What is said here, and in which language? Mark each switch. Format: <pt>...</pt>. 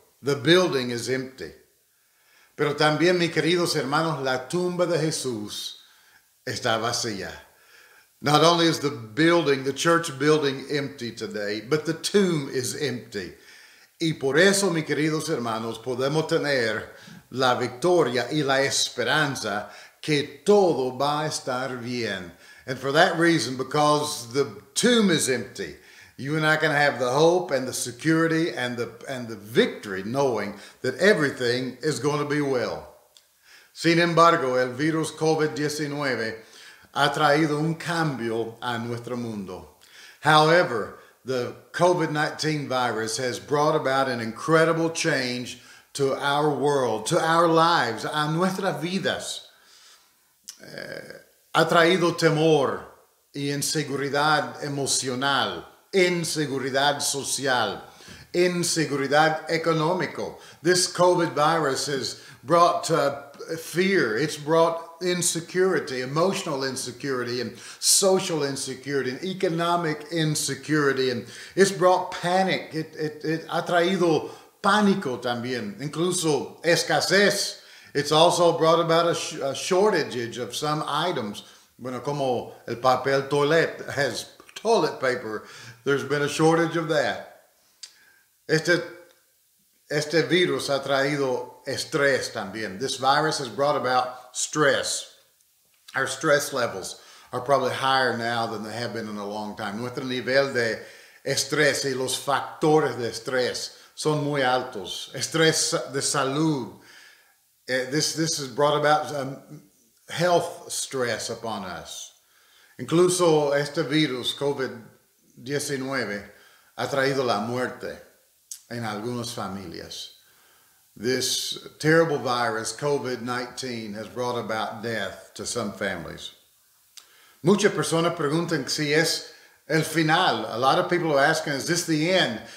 <en>The building is empty.</en> <es>Pero también, mis queridos hermanos, la tumba de Jesús está vacía.</es> <en>Not only is the building, the church building, empty today, but the tomb is empty.</en> <es>Y por eso, mis queridos hermanos, podemos tener la victoria y la esperanza que todo va a estar bien.</es> <en>And for that reason, because the tomb is empty, you and I can have the hope and the security and the victory knowing that everything is going to be well.</en> <es>Sin embargo, el virus COVID-19 ha traído un cambio a nuestro mundo.</es> <en>However, the COVID-19 virus has brought about an incredible change to our world, to our lives,</en> <es>a nuestras vidas. Ha traído temor y inseguridad emocional, inseguridad social, inseguridad económico.</es> <en>This COVID virus has brought fear. It's brought insecurity, emotional insecurity, and social insecurity, and economic insecurity, and it's brought panic.</en> <es>It ha traído pánico también, incluso escasez.</es> <en>It's also brought about a shortage of some items.</en> <es>Bueno, como el papel toilet</es> <en>has toilet paper. There's been a shortage of that.</en> <es>Este virus ha traído estrés también.</es> <en>This virus has brought about stress. Our stress levels are probably higher now than they have been in a long time.</en> <es>Nuestro nivel de estrés y los factores de estrés son muy altos. Estrés de salud.</es> <en>This has brought about health stress upon us.</en> <es>Incluso este virus, COVID-19, ha traído la muerte en algunas familias.</es> <en>This terrible virus, COVID-19, has brought about death to some families.</en> <es>Muchas personas preguntan si es el final.</es> <en>A lot of people are asking, is this the end?</en>